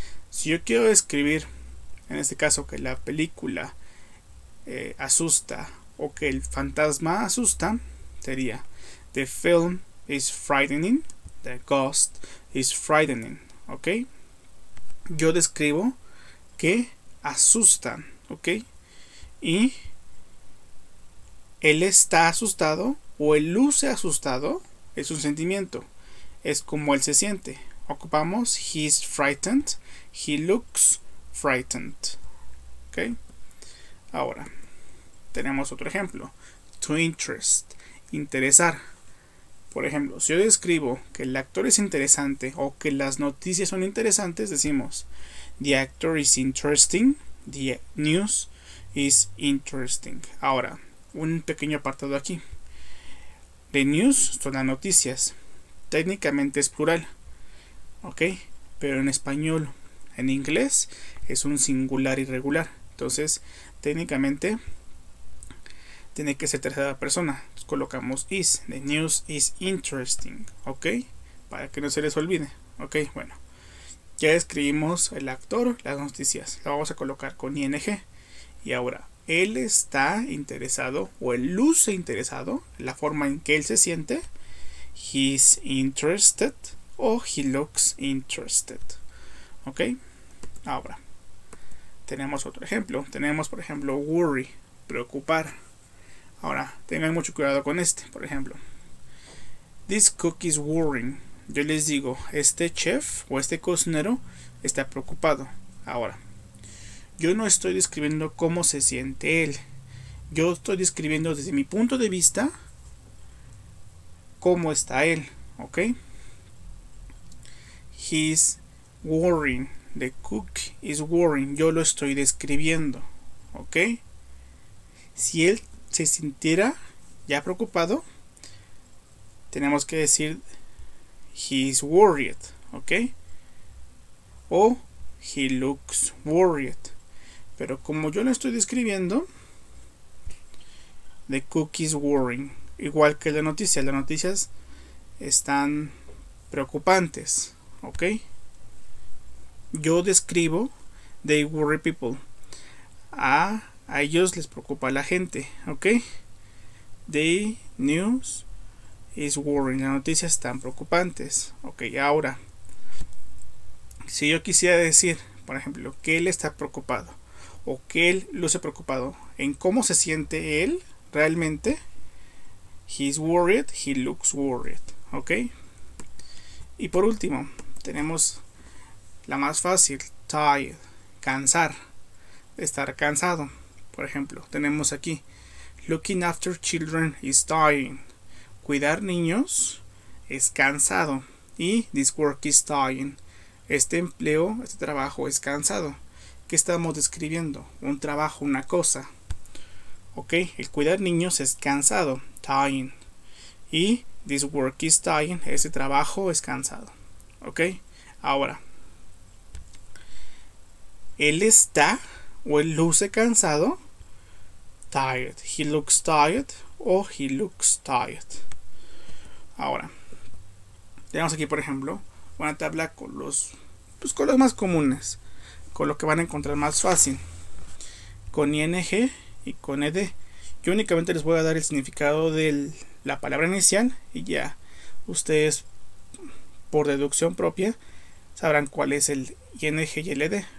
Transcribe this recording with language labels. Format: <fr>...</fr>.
<es>Si yo quiero describir, en este caso, que la película asusta o que el fantasma asusta, sería</es> <en>The film is frightening, the ghost is frightening.</en> <es>¿Ok? Yo describo que asustan, ¿ok? Y él está asustado o él luce asustado. Es un sentimiento. Es como él se siente. Ocupamos</es> <en>he's frightened. He looks frightened. ¿Ok?</en> <es>Ahora, tenemos otro ejemplo.</es> <en>To interest.</en> <es>Interesar. Por ejemplo, si yo describo que el actor es interesante o que las noticias son interesantes, decimos</es> <en>the actor is interesting. The news is interesting.</en> <es>Ahora, un pequeño apartado aquí.</es> <en>The news</en> <es>son las noticias. Técnicamente es plural. ¿Ok? Pero en español, en inglés, es un singular irregular. Entonces, técnicamente, tiene que ser tercera persona. Entonces, colocamos is. The news is interesting. ¿Ok? Para que no se les olvide. ¿Ok? Bueno. Ya escribimos el actor, las noticias. Lo vamos a colocar con ING. Y ahora, él está interesado o él luce interesado, la forma en que él se siente.</es> <en>He's interested o he looks interested.</en> <es>Ok, ahora tenemos otro ejemplo. Tenemos por ejemplo worry, preocupar. Ahora tengan mucho cuidado con este. Por ejemplo,</es> <en>this cook is worrying.</en> <es>Yo les digo, este chef o este cocinero está preocupado. Ahora, yo no estoy describiendo cómo se siente él. Yo estoy describiendo desde mi punto de vista cómo está él. ¿Ok?</es> <en>He's worrying. The cook is worrying.</en> <es>Yo lo estoy describiendo. ¿Ok? Si él se sintiera ya preocupado, tenemos que decir</es> <en>he's worried. ¿Ok? O he looks worried.</en> <es>Pero como yo lo estoy describiendo,</es> <en>the cook is worrying.</en> <es>Igual que la noticia. Las noticias están preocupantes. ¿Ok? Yo describo,</es> <en>they worry people.</en> <es>A ellos les preocupa la gente. ¿Ok?</es> <en>The news is worrying.</en> <es>Las noticias están preocupantes. ¿Ok? Ahora, si yo quisiera decir, por ejemplo, que él está preocupado o que él luce preocupado en cómo se siente él realmente.</es> <en>He's worried, he looks worried.</en> <es>¿Ok? Y por último, tenemos la más fácil, tired, cansar, estar cansado. Por ejemplo, tenemos aquí,</es> <en>looking after children is tiring.</en> <es>Cuidar niños es cansado. Y</es> <en>this work is tiring.</en> <es>Este empleo, este trabajo es cansado. ¿Qué estamos describiendo? Un trabajo, una cosa. Ok, el cuidar niños es cansado, tiring. Y</es> <en>this work is tiring,</en> <es>ese trabajo es cansado. ¿Ok? Ahora, él está o él luce cansado.</es> <en>Tired. He looks tired o he looks tired.</en> <es>Ahora, tenemos aquí, por ejemplo, una tabla con los, pues, con los más comunes, con lo que van a encontrar más fácil, con ing y con ed. Yo únicamente les voy a dar el significado de la palabra inicial y ya ustedes, por deducción propia, sabrán cuál es el ing y el ed.</es>